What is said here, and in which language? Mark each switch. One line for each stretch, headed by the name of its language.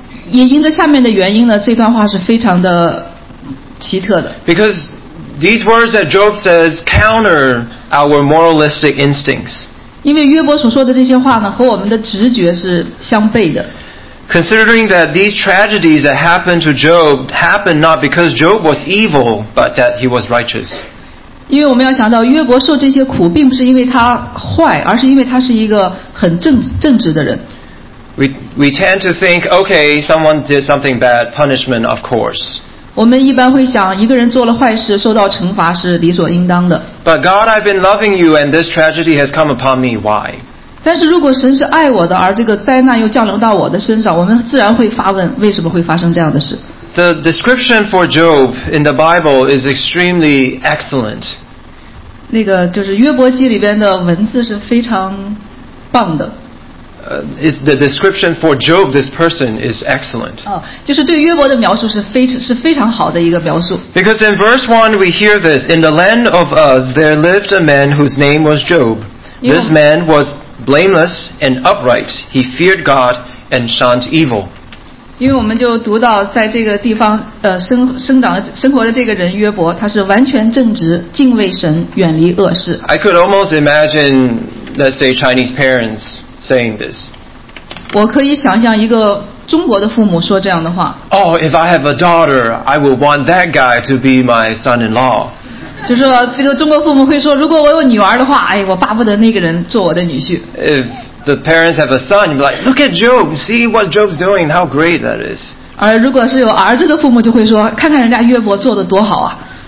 Chinese: 也因着下面的原因呢这段话是非常的奇特的。
English: Because these words that Job says counter our moralistic instincts.
Chinese: 因为约伯所说的这些话呢和我们的直觉是相悖的。
English: Considering that these tragedies that happened to Job happened not because Job was evil, but that he was righteous.
Chinese: 因为我们要想到约伯受这些苦并不是因为他坏而是因为他是一个很 正直的人。
English: We tend to think, okay, someone did something bad, punishment of course.
Chinese: 我们一般会想一个人做了坏事受到惩罚是理所应当的。
English: But God, I've been loving you and this tragedy has come upon me. Why?
Chinese: 但是如果神是爱我的而这个灾难又降临到我的身上我们自然会发问为什么会发生这样的事。
English: The description for Job in the Bible is extremely excellent.
Chinese: 那个就是约伯记里边的文字是非常棒的。
English: Is the description for Job, this person, is excellent.
Chinese: 就是对约伯的描述是非常好的一个描述。
English: Because in verse 1, we hear this, In the land of Uz, there lived a man whose name was Job. This man was blameless and upright. He feared God and shunned evil.
Chinese: 因为我们就读到在这个地方生活的这个人约伯他是完全正直敬畏神远离恶事。
English: I could almost imagine, let's say, Chinese parents,saying this.
Chinese: 我可以想象一个中国的父母说这样的话。
English: Oh, if I have a daughter, I will want that guy to be my son-in-law.
Chinese: 就是说这个中国父母会说如果我有女儿的话哎，我巴不得那个人做我的女婿。
English: If the parents have a son, you'd be like, look at Job, see what Job's doing, how great that is.
Chinese: 而如果是有儿子的父母就会说看看人家约伯做得多好啊。